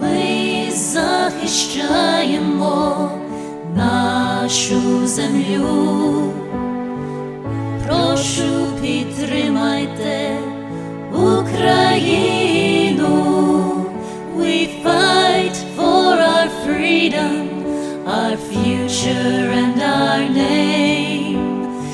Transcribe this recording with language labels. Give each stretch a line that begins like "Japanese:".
Russian: Мы защищаемо нашу землю.
Ukrainian: Прошу, підтримайте Україну.
English: We fight for our freedom, our future, and our name.